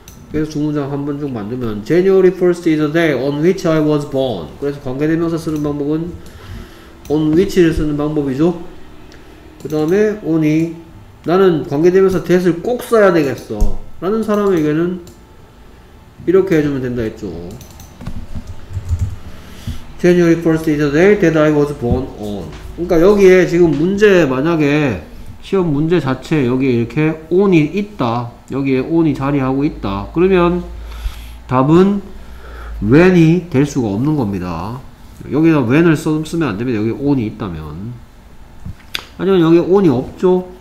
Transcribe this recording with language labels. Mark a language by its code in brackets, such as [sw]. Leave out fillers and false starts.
[ko] 그래서 두 문장 한 번 쭉 만들면 [en] January 1st is the day on which I was born. [ko] 그래서 관계대명사 쓰는 방법은 on which를 쓰는 방법이죠. 그 다음에 on이 나는 관계대명사 that을 꼭 써야 되겠어 라는 사람에게는 이렇게 해주면 된다 했죠. [en] January 1st is the day that I was born on. [ko] 그러니까 여기에 지금 문제 만약에 시험 문제 자체 여기에 이렇게 on이 있다. 여기에 on이 자리하고 있다. 그러면 답은 when이 될 수가 없는 겁니다. 여기다 when을 쓰면 안 됩니다. 여기 on이 있다면. 하지만 여기 on이 없죠.